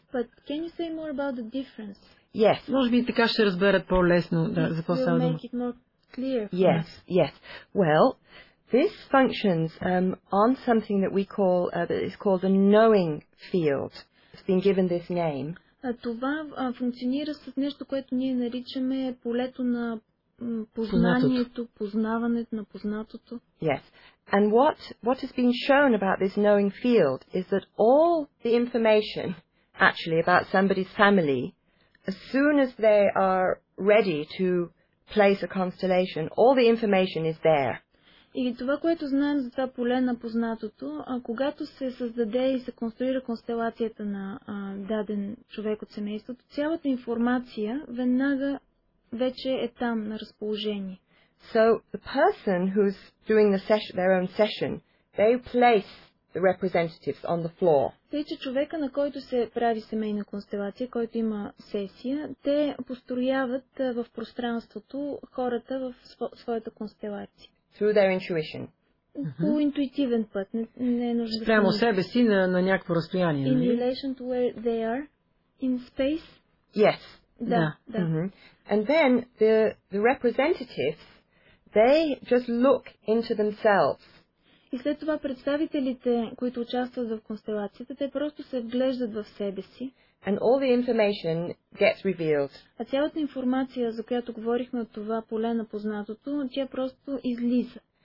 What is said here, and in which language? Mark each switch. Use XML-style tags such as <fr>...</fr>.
<en>But can you say more about the difference? Yes.</en> <bg>Може би така ще разберат по-лесно, да, за какво става дума.</bg> <en>Yes. Well, this functions on something that we call is called a knowing field. It's been given this name.</en> <bg>Това функционира с нещо, което ние наричаме полето на познанието, познаването на познатото.</bg> <en>Yes. And what has been shown about this knowing field is that all the information actually about somebody's family, as soon as they are ready to place a constellation, all the information is there.</en> <bg>И това, което знаем за това поле на познатото, когато се създаде и се конструира констелацията на даден човек от семейството, цялата информация веднага вече е там на разположение.</bg> <en>So the person who's doing the session, their own session, they place the representatives on the floor.</en> <bg>Тъй, че човека, на който се прави семейна констелация, който има сесия, те построяват в пространството хората в своята констелация.</bg> <en>Through their intuition.</en> <bg>По интуитивен път. Не е нужда. Спрямо себе си на някакво разстояние.</bg> <en>In relation to where they are in space. Yes.</en> <bg>Да. Да. Mm-hmm.</bg> <en>And then the representatives, they just look into themselves.</en> <bg>И след това представителите, които участват в констелацията, те просто се вглеждат в себе си.</bg> <en>And all the information gets revealed.</en> <bg>А цялата информация, за която говорихме от това поле на познатото, тя просто излиза.</bg>